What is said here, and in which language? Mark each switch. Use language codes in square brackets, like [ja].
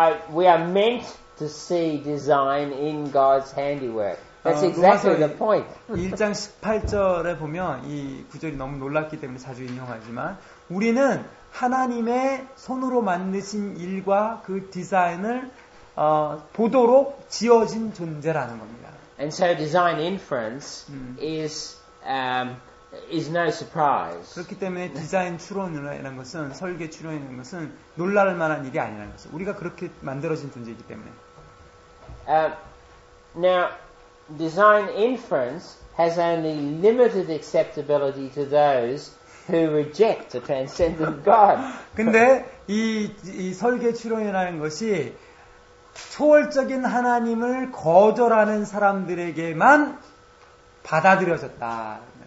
[en] We are meant to see design in God's handiwork. That's exactly the point. [ko] 1장 18절에 보면 이 구절이 너무 놀랍기 때문에 자주 인용하지만 우리는 하나님의 손으로 만드신 일과 그 디자인을 보도록 지어진 존재라는 겁니다. [en] And so design inference is no surprise. [ko] 그렇기 때문에 디자인 추론이라는 것은 설계 추론이라는 것은 놀랄 만한 일이 아니라는 것은 우리가 그렇게 만들어진 존재이기 때문에. [en] Now design inference has only limited acceptability to those who reject the transcendent God. [ko] 근데 이 설계 추론이라는 것이 초월적인 하나님을 거절하는 사람들에게만 받아들여졌다.